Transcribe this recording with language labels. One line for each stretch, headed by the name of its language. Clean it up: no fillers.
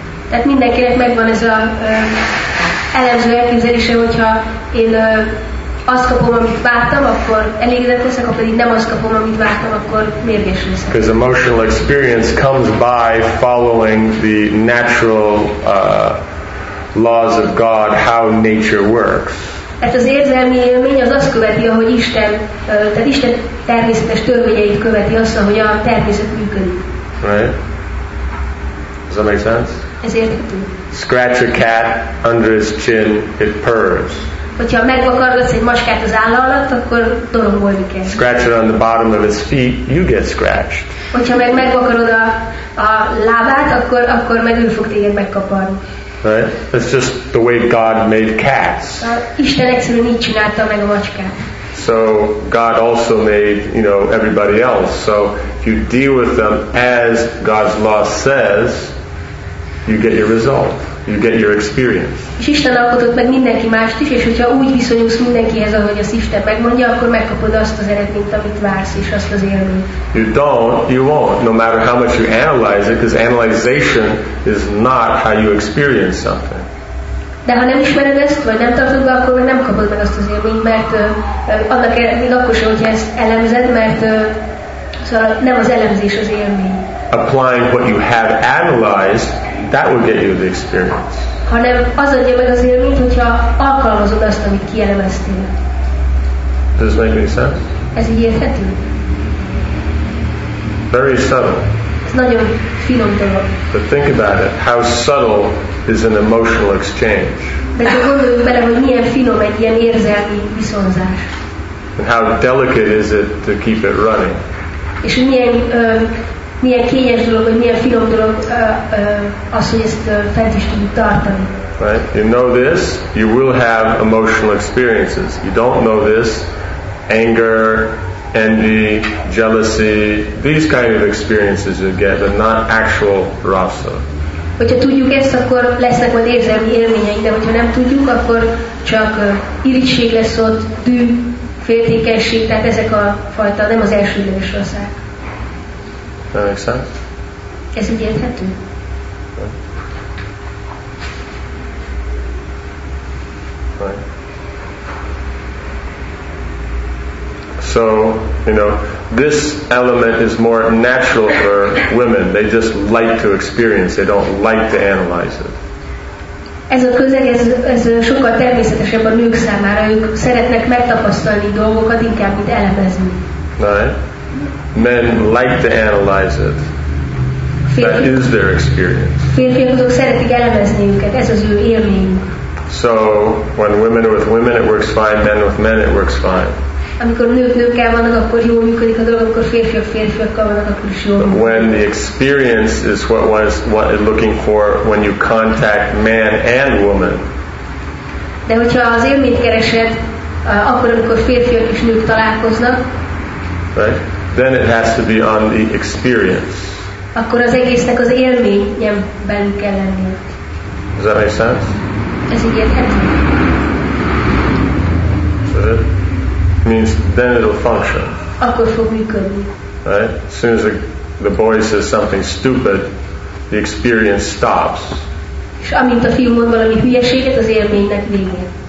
Hungarian: Tehát mindenkinek megvan ez a elemző elképzelése, hogyha én azt kapom, amit vártam, akkor elégedett leszek, ha pedig nem azt kapom, amit vártam, akkor mérges leszek.
English: Because emotional experience comes by following the natural laws of God, how nature works.
Hungarian: Hát az érzelmi élmény az azt követi, ahogy Isten, tehát Isten természetes törvényeit követi azt, ahogy a természet működik.
English: Right? Does that make sense?
Hungarian: Ez érthető.
English: Scratch a cat under his chin, it purrs.
Hungarian: Hogyha megvakargatsz egy macskát az álla alatt, akkor dorongolni kell.
English: Scratch it on the bottom of his feet, you get scratched.
Hungarian: Hogyha meg megvakarod a lábát, akkor meg ő fog téged megkaparni.
English: Right? It's just the way God made cats.
Hungarian: Isten egyszerűen így csinálta meg a macskát.
English: So God also made, you know, everybody else. So if you deal with them as God's law says, you get your result. You get your experience.
Hungarian: És Isten alkotott meg mindenki mást is, és hogyha úgy viszonyulsz mindenkihez, ahogy az Isten megmondja, akkor megkapod azt az eredményt, amit vársz, és azt az élményt.
English: You don't, you won't. No matter how much you analyze it, because analyzation is not how you experience something.
Hungarian: De ha nem ismered ezt, vagy nem tartod be, akkor nem kapod meg azt az élményt, mert annak eredmény akkor sem, hogyha ezt elemzed, mert szóval nem az elemzés az élmény.
English: Applying what you have analyzed, that will get you the experience.
Hungarian: Hanem az adja meg az élményt, hogyha alkalmazod azt, amit kielemeztél.
English: Does this make any sense?
Hungarian: Ez így érthető?
English: Very subtle.
Hungarian: Ez nagyon finom dolog.
English: But think about it, how subtle is an emotional exchange.
Hungarian: De gondoljunk bele, hogy milyen finom egy ilyen érzelmi viszonzás.
English: And how delicate is it to keep it running.
Hungarian: És milyen milyen kényes dolog, vagy milyen finom dolog az, hogy ezt fent is tudjuk tartani.
English: Right? You know this, you will have emotional experiences. You don't know this, anger, envy, jealousy, these kind of experiences you get, but not actual rasa.
Hungarian: Hogyha tudjuk ezt, akkor lesznek majd érzelmi élményeink, de hogyha nem tudjuk, akkor csak irigység lesz ott, dű, féltékenység, tehát ezek a fajta, nem az elsődleges rasa.
English: That makes sense?
Hungarian: Ez így érthető.
English: Right. So, you know, this element is more natural for women. They just like to experience. They don't like to analyze it.
Hungarian: Ez a közeg, ez sokkal természetesebb a nők számára. Ők szeretnek megtapasztalni dolgokat, inkább mint elemezni.
English: Right. Men like to analyze it. That is their experience.
Hungarian: Férfiak szeretik elemezni őket. Ez az ő élmény.
English: So when women are with women, it works fine. Men with men, it works fine.
Hungarian: Amikor nők nőkkel vannak, akkor jól működik a dolog. Amikor férfiak férfiakkal vannak, akkor is jól.
English: When the experience is what is looking for when you contact man and woman.
Hungarian: De hogyha az élményt keresed, akkor amikor férfiak és nők találkoznak.
English: Right. Then it has to be on the experience.
Hungarian: Akkor az egésznek az élményben kell lenni.
English: Does that make sense?
Hungarian: Ez így érthető.
English: It means then it'll function.
Hungarian: Akkor fog működni.
English: Right? As soon as the boy says something stupid, the experience stops.
Hungarian: És amint a fiú mond valami hülyeséget, az élménynek vége.